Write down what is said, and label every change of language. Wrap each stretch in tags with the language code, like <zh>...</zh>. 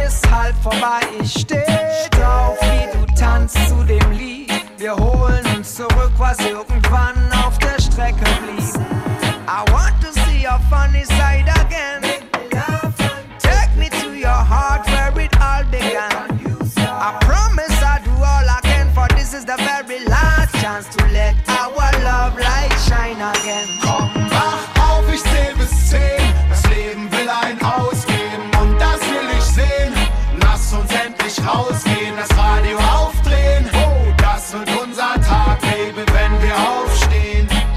<de>bald vorbei, ich steh drauf, wie du tanzt zu dem Lied. Wir holen uns zurück, was irgendwann auf der Strecke blieb.</de> <en>I want to see your funny side again. Take me to your heart where it all began. I promise I'll do all I can, for this is the very last chance to let our love light shine again.</en> <de>Komm, wach auf, ich zähl bis 10. Das Leben will ein Ausgehen und das will ich sehen. Lass uns endlich rausgehen, das Radio aufdrehen. Das wird unser Tag, Baby, wenn wir aufstehen.</de>